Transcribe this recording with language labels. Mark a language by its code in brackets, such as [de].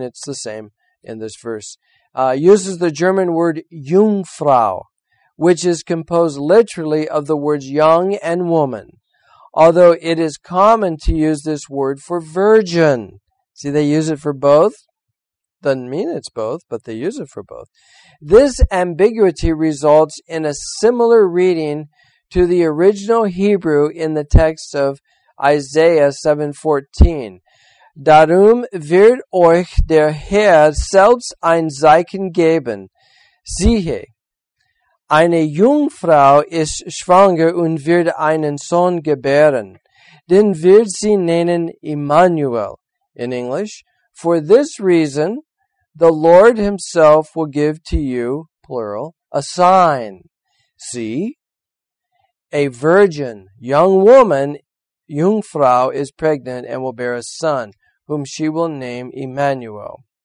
[en] It's the same in this verse. Uses the German word Jungfrau, which is composed literally of the words young and woman, although it is common to use this word for virgin. See, they use it for both. Doesn't mean it's both, but they use it for both. This ambiguity results in a similar reading to the original Hebrew in the text of Isaiah 7:14. [de] Darum wird euch der Herr selbst ein Zeichen geben. Siehe, eine Jungfrau ist schwanger und wird einen Sohn gebären. Den wird sie nennen Immanuel. [en] In English, for this reason, the Lord himself will give to you, plural, a sign. See, a virgin, young woman, Jungfrau, is pregnant and will bear a son, whom she will name Emmanuel.